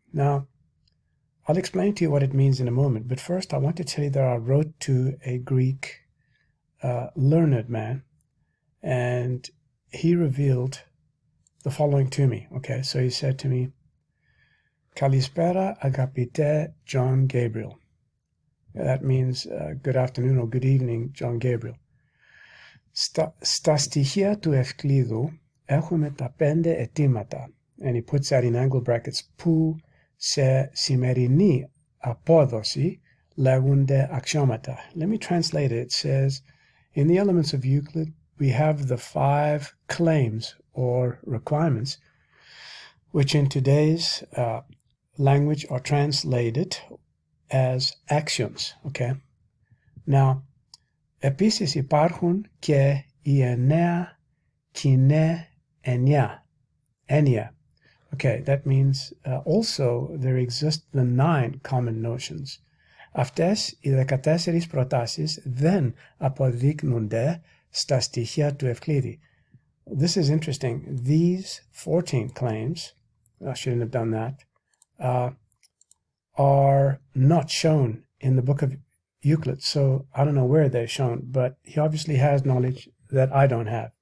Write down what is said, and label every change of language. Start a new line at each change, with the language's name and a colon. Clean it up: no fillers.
English: Now, I'll explain to you what it means in a moment. But first, I want to tell you that I wrote to a Greek learned man, and he revealed the following to me. Okay. So he said to me,
Greek: Kalispera agapite,
English: John Gabriel. That means good afternoon or good evening, John Gabriel.
Greek: Sta stichia του Ευκλήδου έχουμε τα πέντε αιτήματα.
English: And he puts that in angle brackets.
Greek: Που σε σημερινή απόδοση λέγονται αξιώματα.
English: Let me translate it. It says, in the elements of Euclid, we have the five claims or requirements, which in today's language are translated as axioms. Okay. Now,
Greek: επίσης υπάρχουν και οι εννέα κοινά έννοια. Έννοια.
English: Okay, that means also there exist the nine common notions.
Greek: Αυτές οι 14 προτάσεις δεν αποδείκνονται στα στοιχεία του Ευκλήδη.
English: This is interesting. These 14 claims, I shouldn't have done that, are not shown in the book of Euclid. So I don't know where they're shown, but he obviously has knowledge that I don't have.